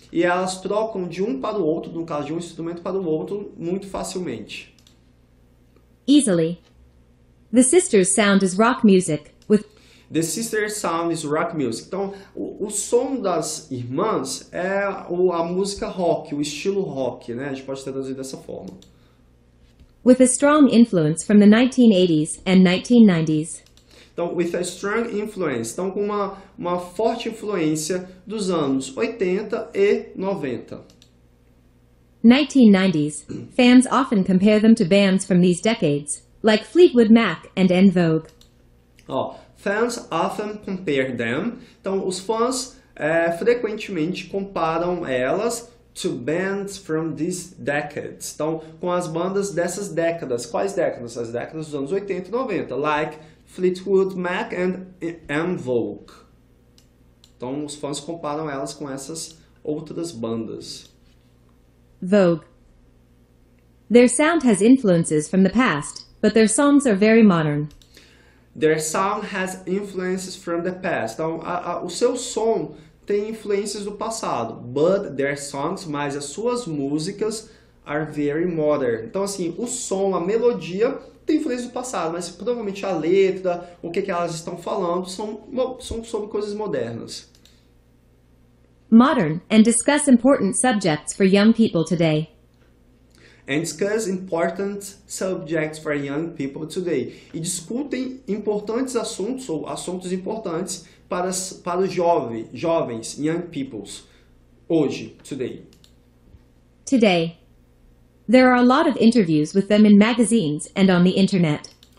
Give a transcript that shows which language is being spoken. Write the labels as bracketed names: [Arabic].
[Portuguese] E elas trocam de um para o outro, no caso de um instrumento para o outro, muito facilmente. [English] Easily. The sisters' sound is rock music. The sisters' sound is rock music. [Portuguese] Então, o som das irmãs é a música rock, o estilo rock, né? A gente pode traduzir dessa forma. [English] With a strong influence from the 1980s and 1990s. Então, with a strong influence. [Portuguese] Então, com uma forte influência dos anos 80 e 90. [English] 1990s. Fans often compare them to bands from these decades, like Fleetwood Mac and En Vogue. Fans often compare them. [Portuguese] Então, os fãs frequentemente comparam elas [English] to bands from these decades. [Portuguese] Então, com as bandas dessas décadas. Quais décadas? As décadas dos anos 80 e 90. [English] Like Fleetwood Mac and En Vogue. [Portuguese] Então, os fãs comparam elas com essas outras bandas. [English] Vogue. Their sound has influences from the past, but their songs are very modern. Their sound has influences from the past. [Portuguese] Então, o seu som tem influências do passado. [English] But their songs, [Portuguese] mas as suas músicas, [English] are very modern. [Portuguese] Então, assim, o som, a melodia, tem influências do passado. Mas, provavelmente, a letra, o que elas estão falando, são sobre coisas modernas. [English] Modern and discuss important subjects for young people today. And discuss important subjects for young people today. [Portuguese] E discutem importantes assuntos ou assuntos importantes para os jovens, [English] young peoples, [Portuguese] hoje, today. [English] Today. There are a lot of interviews with them in magazines and on the internet.